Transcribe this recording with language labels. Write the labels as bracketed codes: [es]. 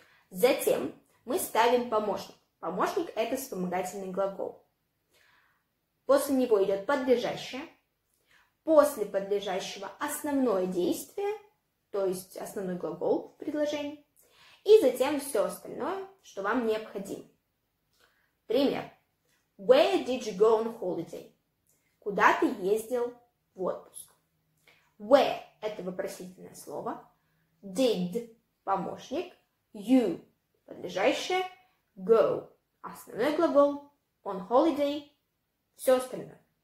[ru] Затем мы ставим помощник. Помощник – это вспомогательный глагол. После него идет подлежащее. После подлежащего – основное действие, то есть основной глагол в предложении. И затем все остальное, что вам необходимо. Пример. [en] Where did you go on holiday? [ru] Куда ты ездил в отпуск? Where – это вопросительное слово. Did – помощник. You – подлежащее, go, основной глагол, [en] on holiday, [ru] все остальное.